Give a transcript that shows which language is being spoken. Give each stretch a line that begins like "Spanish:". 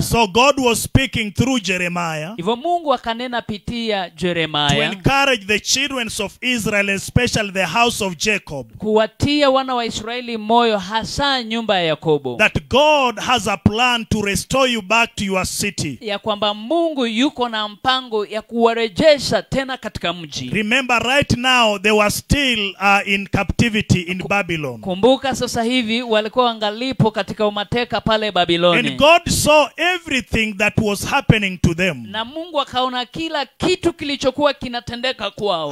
English: So God was speaking through Jeremiah.
Swahili: Hivyo Mungu akanena pitia Jeremiah.
English: To encourage the children of Israel, especially the house of Jacob.
Swahili: Kuwatia wana wa Israeli moyo, hasa nyumba ya Yakobo.
English: That God has a plan to restore you back to your city.
Swahili: Ya kwamba Mungu yuko na mpango ya kuwarejesha tena katika mji.
English: Remember, right now they were still in captivity in Babylon.
Swahili: Kumbuka sasa hivi walikuwa angalipo katika umateka pale Babiloni.
English: And God saw everything that was happening to them.
Swahili: Na Mungu akaona kila kitu kilichokuwa kinatendeka kwao.